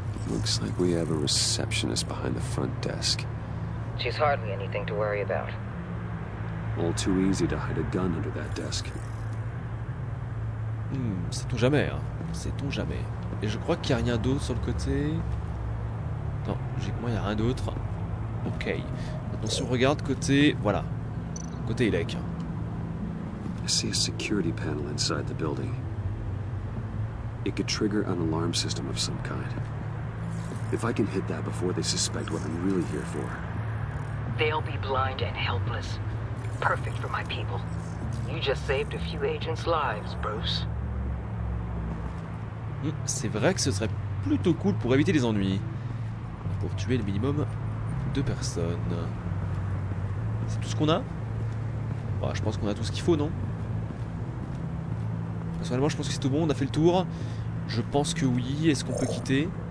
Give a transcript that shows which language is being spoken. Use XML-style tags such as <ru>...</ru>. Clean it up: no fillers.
<en>Looks like we have a receptionist behind the front desk. She's hardly anything to worry about. All too easy to hide a gun under that desk.</en> <fr>Sait-on jamais, hein. Sait-on jamais. Et je crois qu'il n'y a rien d'autre sur le côté. Non, logiquement, il n'y a rien d'autre. Ok. Maintenant, si on regarde côté... Voilà. Côté ELEC.</fr> <en>I see a security panel inside the building. It could trigger an alarm system of some kind. If I can hit that before they suspect what I'm really here for... They'll be blind and helpless. Perfect for my people. You just saved a few agents' lives, Bruce.</en> <fr>C'est vrai que ce serait plutôt cool pour éviter les ennuis. Pour tuer le minimum deux personnes. C'est tout ce qu'on a? Bah, je pense qu'on a tout ce qu'il faut, non? Personnellement, je pense que c'est tout bon, on a fait le tour. Je pense que oui, est-ce qu'on peut quitter?</fr>